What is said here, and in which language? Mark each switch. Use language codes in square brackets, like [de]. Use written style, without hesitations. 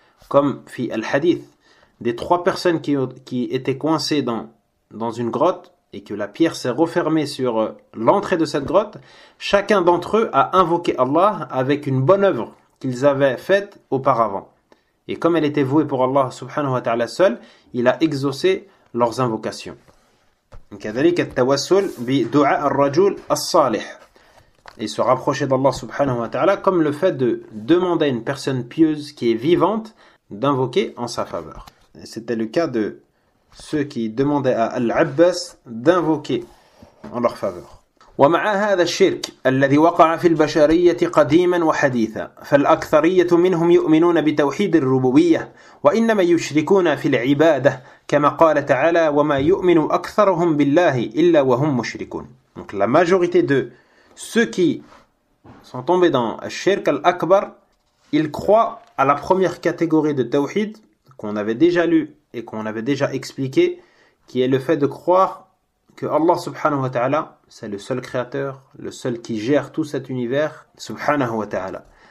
[fr] Comme [ar] fi al-hadith, [fr] des trois personnes qui étaient coincées dans une grotte et que la pierre s'est refermée sur l'entrée de cette grotte, chacun d'entre eux a invoqué Allah avec une bonne œuvre qu'ils avaient faite auparavant. Et comme elle était vouée pour Allah subhanahu wa ta'ala seul, il a exaucé leurs invocations. [ar] كذلك التوسل بدعاء الرجل الصالح. [fr] Et se rapprocher d'Allah subhanahu wa ta'ala, comme le fait de demander à une personne pieuse qui est vivante d'invoquer en sa faveur. C'était le cas de ceux qui demandaient à Al-Abbas d'invoquer en leur faveur. [ar] ومع هذا الشرك الذي وقع في البشرية قديما وحديثا فالأكثرية منهم يؤمنون بتوحيد الربوبية وإنما يشركون في العبادة كما قال تعالى وما يؤمن أكثرهم بالله إلا وهم مشركون. [fr] Donc la majorité de ceux qui sont tombés dans [ar] الشرك الأكبر, [fr] ils croient à la première catégorie de tawhid qu'on avait déjà lu et qu'on avait déjà expliqué, qui est le fait de croire que Allah subhanahu wa ta'ala, c'est le seul créateur, le seul qui gère tout cet univers, subhanahu wa ta'ala.